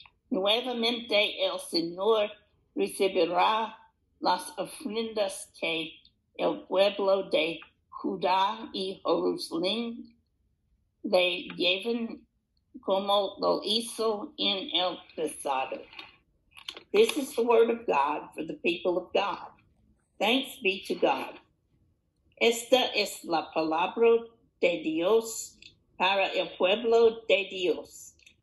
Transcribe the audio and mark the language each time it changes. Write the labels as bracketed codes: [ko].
[es] Nuevamente el Señor recibirá las ofrendas que el pueblo de Judá y Jerusalén le llevan como lo hizo en el pasado. [en] This is the word of God for the people of God. Thanks be to God. [es] Esta es la palabra de Dios para el pueblo de Dios.